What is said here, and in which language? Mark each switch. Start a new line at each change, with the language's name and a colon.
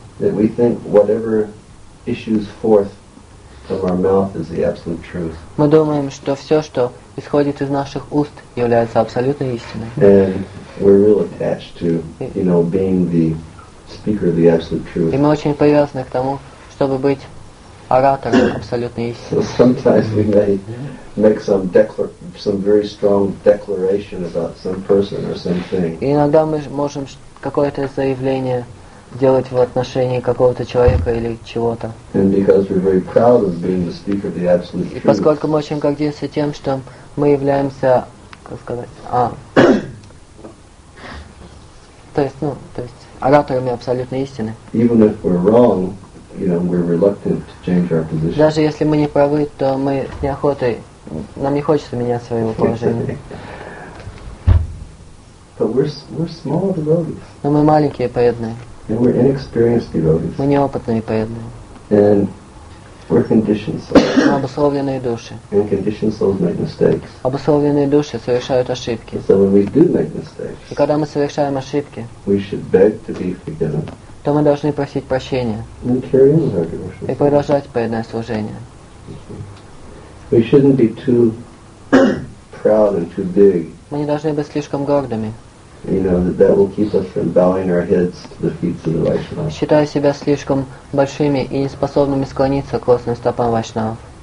English: That we think whatever issues forth from our mouth is the absolute truth.
Russian: Мы думаем, что все, что исходит из наших уст, является абсолютной истиной.
English: And we're real attached to, you know, being the speaker of the absolute truth.
Russian: И мы очень привязаны к тому, чтобы быть оратором абсолютной истины.
English: So sometimes we may make some very strong declaration about some person or something.
Russian: Иногда мы можем какое-то заявление делать в отношении какого-то человека или чего-то.
English: And because we're very proud of being the speaker of the absolute truth.
Russian: И поскольку мы очень гордимся тем, что мы являемся, как сказать, то есть ораторами абсолютной истины.
English: Even if we're wrong, you know, we're reluctant to change our position.
Russian: Даже если мы не правы, то мы с неохотой. Нам не хочется менять своего положения.
English: But we're small devotees.
Russian: Но мы маленькие преданные.
English: And we're inexperienced devotees.
Russian: Мы неопытные преданные.
English: And we're conditioned souls.
Russian: Мы обусловленные души.
English: And conditioned souls make mistakes.
Russian: Обусловленные души совершают ошибки.
English: So when we do make mistakes,
Russian: и когда мы совершаем ошибки,
English: we should beg to be forgiven.
Russian: То мы должны просить прощения.
English: And carry on with our devotion.
Russian: И продолжать преданное служение.
English: We shouldn't be too proud and too big.
Russian: Мы не должны быть слишком гордыми.
English: You know, that will keep us from bowing our heads to the feet of the Vaishnava.
Russian: Считая себя слишком большими и неспособными склониться к лотосным стопам Вайшнавов.